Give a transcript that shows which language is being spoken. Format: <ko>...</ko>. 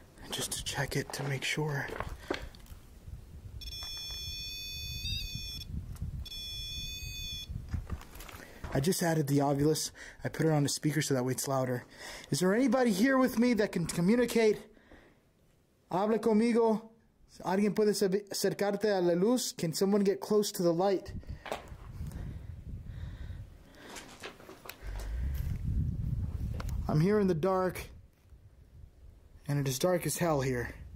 <en>Just to check it to make sure. I just added the ovulus. I put it on a speaker so that way it's louder. Is there anybody here with me that can communicate?</en> <es>Habla conmigo. ¿Alguien puede acercarte a la luz?</es> <en>Can someone get close to the light? I I'm here in the dark, and it is dark as hell here.</en>